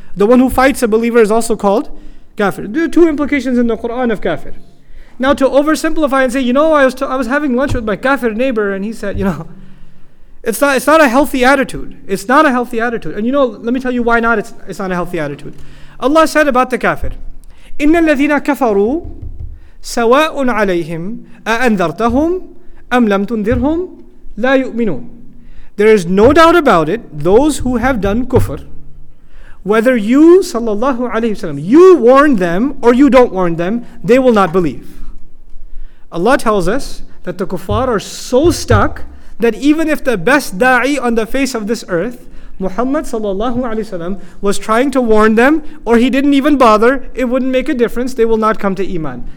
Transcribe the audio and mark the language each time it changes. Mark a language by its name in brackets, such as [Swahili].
[English] The one who fights a believer is also called kafir. There are two implications in the Quran of kafir. Now, to oversimplify and say, you know, I was having lunch with my kafir neighbor, and he said, you know, it's not a healthy attitude. It's not a healthy attitude. And you know, let me tell you why not. It's not a healthy attitude. Allah said about the kafir, [Arabic] إِنَّ الَّذِينَ كَفَرُوا سَوَاءٌ عَلَيْهِمْ أَأَنذَرْتَهُمْ أَمْ لَمْ تُنذِرْهُمْ لَا يُؤْمِنُونَ. [English] There is no doubt about it, those who have done kufr, whether you, sallallahu alayhi wasallam, you warn them or you don't warn them, they will not believe. Allah tells us that the kuffar are so stuck that even if the best da'i on the face of this earth, Muhammad sallallahu alayhi wasallam, was trying to warn them, or he didn't even bother, it wouldn't make a difference, they will not come to iman.